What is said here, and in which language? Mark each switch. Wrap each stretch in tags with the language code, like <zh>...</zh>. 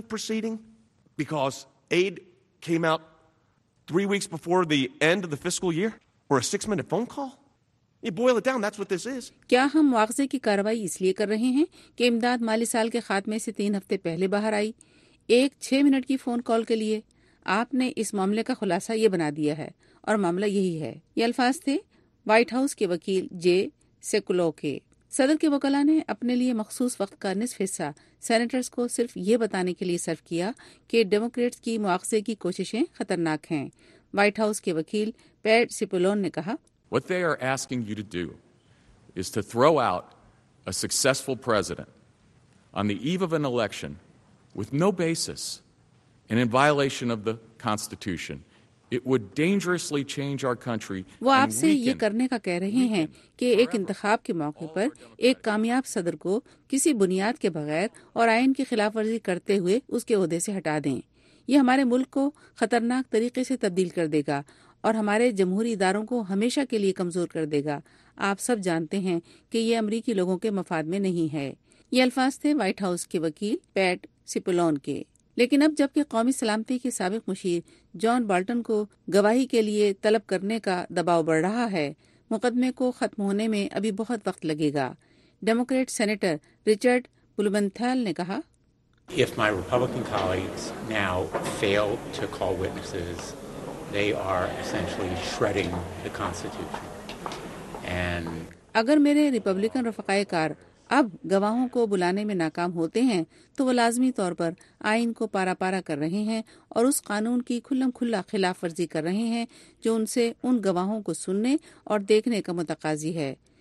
<en>because aid came out 3 weeks before the end of the fiscal year or a 6-minute phone call, you boil it down, that's what this is.</en> <ur>کیا ہم مواخذے کی کارروائی اس لیے کر رہے ہیں کہ امداد مالی سال کے خاتمے سے 3 ہفتے پہلے باہر آئی؟ ایک 6 منٹ کی فون کال کے لیے آپ نے اس معاملے کا خلاصہ یہ بنا دیا ہے اور معاملہ یہی ہے۔ یہ الفاظ تھے وائٹ ہاؤس کے وکیل جے سیکولو کے۔ صدر کے وکلاء نے اپنے لیے مخصوص وقت کا نصف حصہ سینیٹرز کو صرف یہ بتانے کے لیے صرف کیا کہ ڈیموکریٹس کی مواخذے کی کوششیں خطرناک ہیں۔ وائٹ ہاؤس کے وکیل پیٹ سپولون نے کہا</ur> <en>What they are asking you to do is to throw out a successful president on the eve of an election with no basis and in violation of the Constitution. It would dangerously change our country.</en> <ur>وہ آپ سے یہ کرنے کا کہہ رہے ہیں کہ ایک انتخاب کے موقع پر ایک کامیاب صدر کو کسی بنیاد کے بغیر اور آئین کی خلاف ورزی کرتے ہوئے اس کے عہدے سے ہٹا دیں۔ یہ ہمارے ملک کو خطرناک طریقے سے تبدیل کر دے گا اور ہمارے جمہوری اداروں کو ہمیشہ کے لیے کمزور کر دے گا۔ آپ سب جانتے ہیں کہ یہ امریکی لوگوں کے مفاد میں نہیں ہے۔ یہ الفاظ تھے وائٹ ہاؤس کے وکیل پیٹ سپولون کے۔ لیکن اب جبکہ قومی سلامتی کے سابق مشیر جان بولٹن کو گواہی کے لیے طلب کرنے کا دباؤ بڑھ رہا ہے، مقدمے کو ختم ہونے میں ابھی بہت وقت لگے گا۔ ڈیموکریٹ سینیٹر رچرڈ بلومنتھال نے کہا</ur> <en>If my Republican colleagues now fail to call witnesses, they are essentially shredding the Constitution. And</en> <ur>اگر میرے ریپبلکن رفقائے کار اب گواہوں کو بلانے میں ناکام ہوتے ہیں تو وہ لازمی طور پر آئین کو پارا پارا کر رہے ہیں اور اس قانون کی کھلم کھلا خلاف ورزی کر رہے ہیں جو ان سے ان گواہوں کو سننے اور دیکھنے کا متقاضی ہے۔</ur>